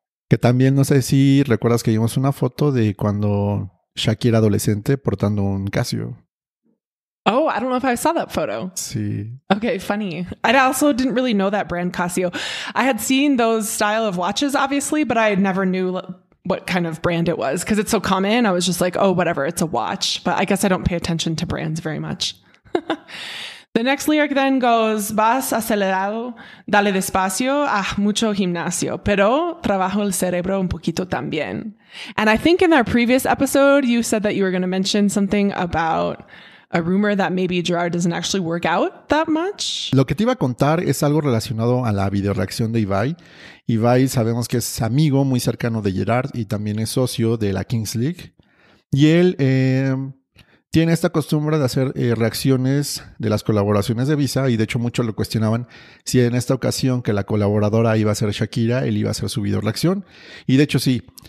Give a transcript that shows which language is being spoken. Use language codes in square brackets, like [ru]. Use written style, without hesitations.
[es] Que también, no sé si recuerdas que vimos una foto de cuando Shakira adolescente portando un Casio. [en] Oh, I don't know if I saw that photo. [es] Sí. [en] Okay, funny. I also didn't really know that brand Casio. I had seen those style of watches, obviously, but I never knew what kind of brand it was because it's so common. I was just like, oh, whatever, it's a watch. But I guess I don't pay attention to brands very much. The next lyric then goes, [es] vas acelerado, dale despacio, ah, mucho gimnasio, pero trabajo el cerebro un poquito también. [en] And I think in our previous episode, you said that you were going to mention something about a rumor that maybe Gerard doesn't actually work out that much. [es] Lo que te iba a contar es algo relacionado a la videoreacción de Ibai. Ibai sabemos que es amigo muy cercano de Gerard y también es socio de la Kings League. Y él tiene esta costumbre de hacer reacciones de las colaboraciones de Visa. Y de hecho muchos lo cuestionaban si en esta ocasión que la colaboradora iba a ser Shakira, él iba a hacer su videoreacción. Y de hecho sí.